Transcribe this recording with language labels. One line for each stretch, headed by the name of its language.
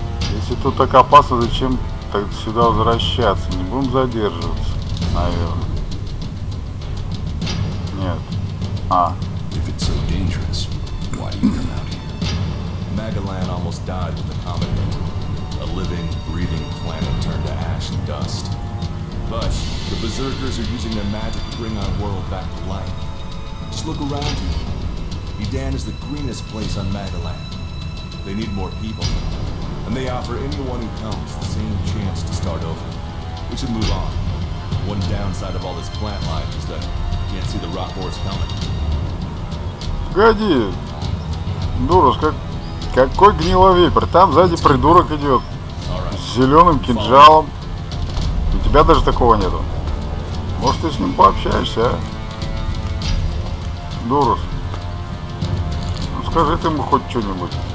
Russian: Если тут так опасно, зачем так сюда возвращаться? Не будем задерживаться, наверное. Нет. А. Если это так опасно, почему ты приходишь сюда? Магалан почти умер с комбинатом.
English: A living, breathing planet turned to ash and dust. But the Berserkers are using their magic to bring our world back to life. Just look around you. Edan is the greenest place on Magalan. They need more people. And they offer anyone who comes the same chance to start over. We should move on. One downside of all this plant life is that you can't see the rock wars coming.
Russian: Погоди! Дурус, какой гнилой вепер? Там сзади придурок идет. С зеленым кинжалом. У тебя даже такого нету. Может, ты с ним пообщаешься, а? Дурус. Ну, скажи ты ему хоть что-нибудь.